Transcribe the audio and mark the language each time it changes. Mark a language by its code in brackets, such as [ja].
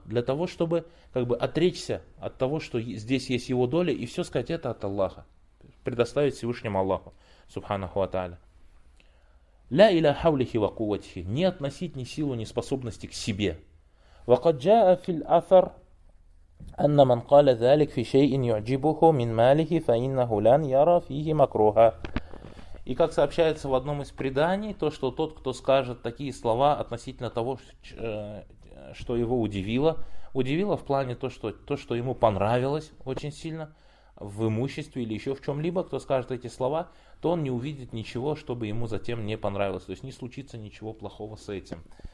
[ru] Для того, чтобы как бы отречься от того, что здесь есть его доля, и все сказать это от Аллаха. Предоставить Всевышнему Аллаху, Субханаху ва Тааля. [ar] Ля иля хавлихи ва куватихи. [ru] Не относить ни силу, ни способности к себе. [ar] Ва каджаа филь афар. أن من قال ذلك في شيء يعجبه من ماله فإنه لن يرى فيه مكروها. [ru] И как сообщается в одном из преданий, то что тот, кто скажет такие слова относительно того, что его удивило, удивило в плане то, что ему понравилось очень сильно в имуществе или еще в чем-либо, кто скажет эти слова, то он не увидит ничего, чтобы ему затем не понравилось, то есть не случится ничего плохого с этим.